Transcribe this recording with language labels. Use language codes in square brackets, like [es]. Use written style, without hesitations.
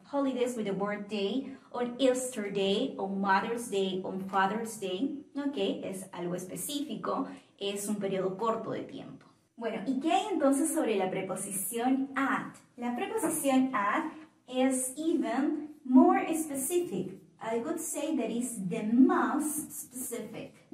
[en] Holidays with the word day, on Easter day, on Mother's day, on Father's day. [es] Ok, es algo específico, es un periodo corto de tiempo. Bueno, ¿y qué hay entonces sobre la preposición at? La preposición [en] at is even more specific. I would say that is the most specific.